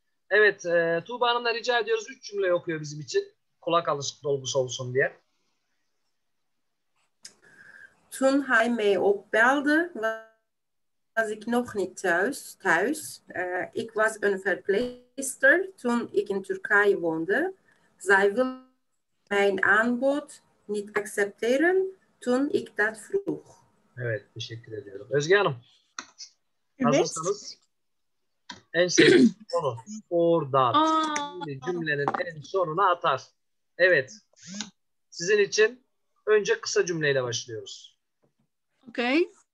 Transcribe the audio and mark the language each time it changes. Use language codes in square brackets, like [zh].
[tr] Evet, Tuğba Hanım'la rica ediyoruz. Üç cümle okuyor bizim için. Kulak alışık dolgusu olsun diye. [nl] Toen hij mij opbelde, was ik nog niet thuis. Ik was een verpleegster toen ik in Turkije woonde. Zij wilde mijn aanbod niet accepteren toen ik dat vroeg. [tr] Evet, teşekkür ediyorum. Özge Hanım, hazırsanız. Evet. En sevdiğim konu orada. Cümlenin en sonuna atar. Evet, sizin için önce kısa cümleyle başlıyoruz. Okay.